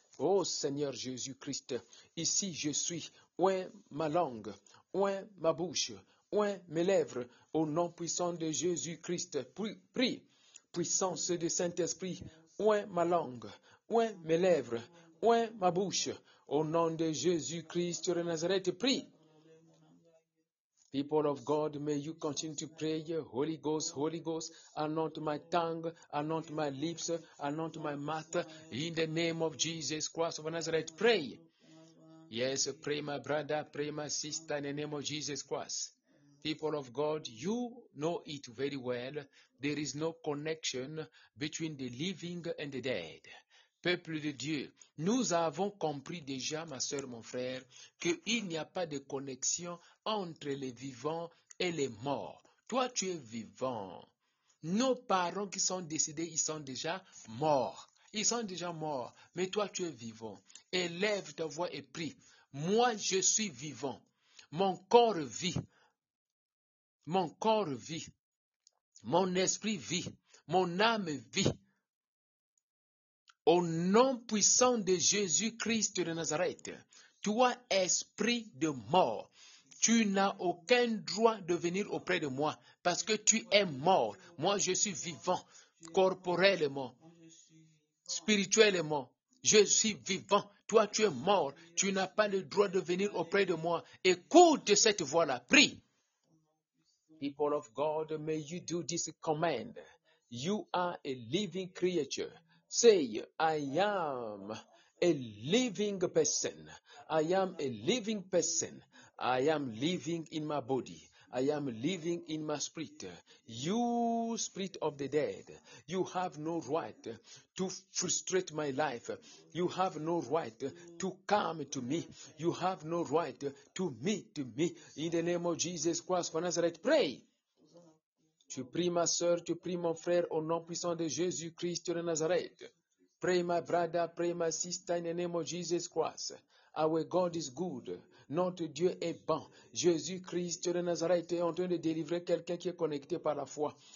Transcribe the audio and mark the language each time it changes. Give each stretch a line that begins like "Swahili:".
French: Ô Seigneur Jésus-Christ, ici je suis, oint ma langue, oint ma bouche, oint mes lèvres, au nom puissant de Jésus-Christ, prie, puissance du Saint-Esprit, oint ma langue, oint mes lèvres, oint ma bouche, au nom de Jésus-Christ de Nazareth, prie.
English: People of God, may you continue to pray. Holy Ghost, Holy Ghost, anoint my tongue, anoint my lips, anoint my mouth. In the name of Jesus Christ of Nazareth, pray. Yes, pray my brother, pray my sister in the name of Jesus Christ. People of God, you know it very well. There is no connection between the living and the dead.
French: Peuple de Dieu, nous avons compris déjà, ma sœur, mon frère, qu'il n'y a pas de connexion entre les vivants et les morts. Toi, tu es vivant. Nos parents qui sont décédés, ils sont déjà morts. Ils sont déjà morts, mais toi, tu es vivant. Élève ta voix et prie. Moi, je suis vivant. Mon corps vit. Mon corps vit. Mon esprit vit. Mon âme vit. Au nom puissant de Jésus-Christ de Nazareth, toi, esprit de mort, tu n'as aucun droit de venir auprès de moi parce que tu es mort. Moi, je suis vivant, corporellement, spirituellement. Je suis vivant. Toi, tu es mort. Tu n'as pas le droit de venir auprès de moi. Écoute cette voix-là. Prie.
English: People of God, may you do this command. You are a living creature. Say, I am a living person. I am a living person. I am living in my body. I am living in my spirit. You, spirit of the dead, you have no right to frustrate my life. You have no right to come to me. You have no right to meet me. In the name of Jesus Christ of Nazareth, pray.
French: Tu pries ma sœur, tu pries mon frère au nom puissant de Jésus-Christ de Nazareth.
English: Pray my brother, pray my sister in the name of Jesus Christ. Our God is good.
French: Notre Dieu est bon. Jésus-Christ de Nazareth est en train de délivrer quelqu'un qui est connecté par la foi.